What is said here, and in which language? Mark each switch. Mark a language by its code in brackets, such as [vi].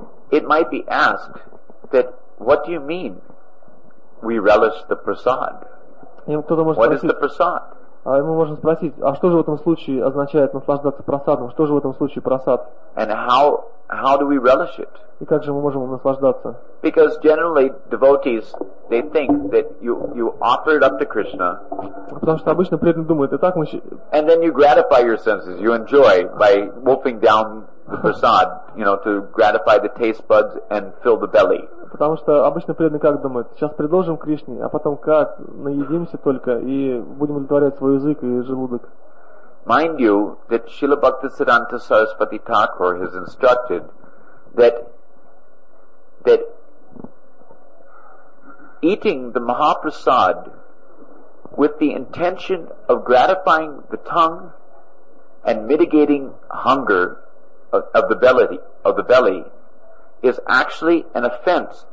[en] It might be asked that what do you mean we relish the prasad? What is the prasad? [ru] Мы можем спросить, а что же в этом случае означает наслаждаться просадом? Что же в этом случае просад? [en] And how do we relish it? [ru] И как же мы можем наслаждаться? [en] Because generally devotees they think that you offer it up to Krishna. [ru] Потому что обычно преданные думают, итак, мы. [en] And then you gratify your senses, you enjoy by wolfing down the prasad, you know, to gratify the taste buds and fill the belly. [ru] Потому что обычно преданные как думают, сейчас предложим Кришне, а потом как наедимся только и будем удовлетворять свой язык и желудок. [en] Mind you, that Srila Bhaktisiddhanta Saraswati Thakur has instructed that eating the Mahaprasad with the intention of gratifying the tongue and mitigating hunger of the belly is actually an offense.